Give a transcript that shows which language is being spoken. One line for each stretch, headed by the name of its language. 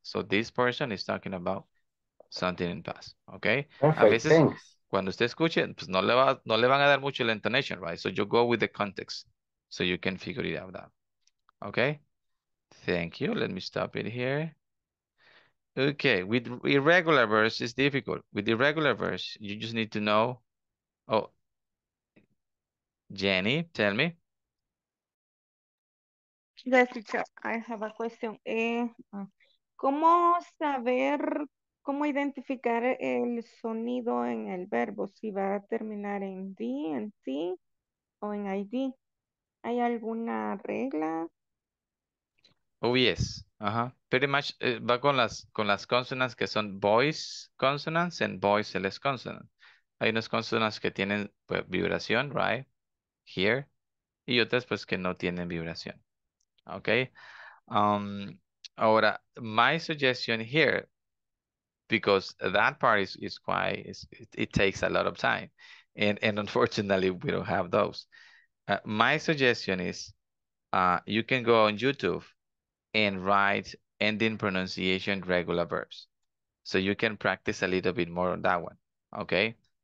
English: So this person is talking about something in past. Okay? Perfect,
Spanish: a veces,
English: thanks.
Spanish: Cuando usted escuche, pues no le van a dar mucho la intonation, right?
English: So you go with the context. So you can figure it out. That. Okay? Thank you. Let me stop it here. Okay, with irregular verbs, it's difficult. With irregular verbs, you just need to know. Oh, Jenny, tell me. Yes, teacher. I have a question.
Spanish: ¿Cómo saber, cómo identificar el sonido en el verbo? Si va a terminar en D, en T, o en ID. ¿Hay alguna regla?
English: Oh, yes. Uh-huh. Pretty much
Spanish: va con las
English: consonants
Spanish: que son
English: voice consonants and voiceless consonants.
Spanish: Hay unas consonants que tienen pues, vibración, right? Here. Y otras pues que no tienen vibración.
English: Okay, ahora, my suggestion here, because that part is quite, it takes a lot of time, and unfortunately, we don't have those. My suggestion is, you can go on YouTube and write ending pronunciation regular verbs, so you can practice a little bit more on that one, Okay.